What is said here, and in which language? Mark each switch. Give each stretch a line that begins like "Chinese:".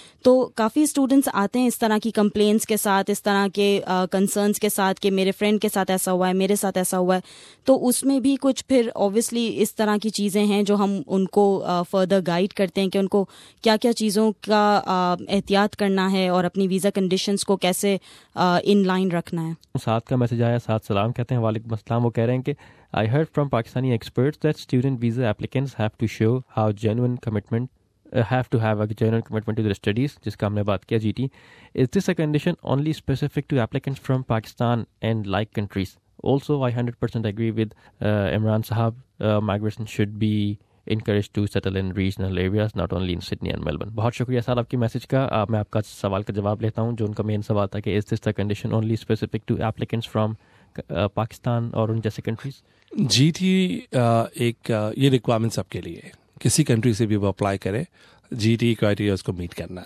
Urdu: تو کافی اسٹوڈنٹس آتے ہیں اس طرح کی کمپلینس کے ساتھ, اس طرح کے کنسرنس کے ساتھ کہ میرے فرینڈ کے ساتھ ایسا ہوا ہے, میرے ساتھ ایسا ہوا ہے, تو اس میں بھی کچھ پھر اوبویسلی اس طرح کی چیزیں ہیں جو ہم ان کو فردر گائیڈ کرتے ہیں کہ ان کو کیا کیا چیزوں کا احتیاط کرنا ہے اور اپنی ویزا کنڈیشنز کو کیسے ان لائن رکھنا ہے. ساتھ کا میسج آیا, ساتھ سلام کہتے ہیں, وعلیکم السلام. وہ کہہ رہے ہیں کہ
English: I heard from Pakistani experts that student visa applicants have to show how genuine commitment have to have a genuine commitment to their studies,
Urdu: جس کا ہم نے بات کیا جی T.
English: Is this a condition only specific to applicants from Pakistan and like countries? Also, I 100% agree with Imran Sahab. Migration should be encouraged to settle in regional areas, not only in Sydney and Melbourne.
Urdu: بہت شکریہ سال آپ کی message کا. میں آپ کا سوال کا جواب لیتا ہوں جو ان کا مین سوال تھا کہ
English: is this the condition only specific to applicants from Pakistan
Urdu: اور ان جیسے کنٹریز. جی ٹی ایک یہ ریکوائرمنٹ سب کے لیے, کسی کنٹری سے بھی وہ اپلائی کرے جی ٹی کرائیٹیریا کو میٹ کرنا.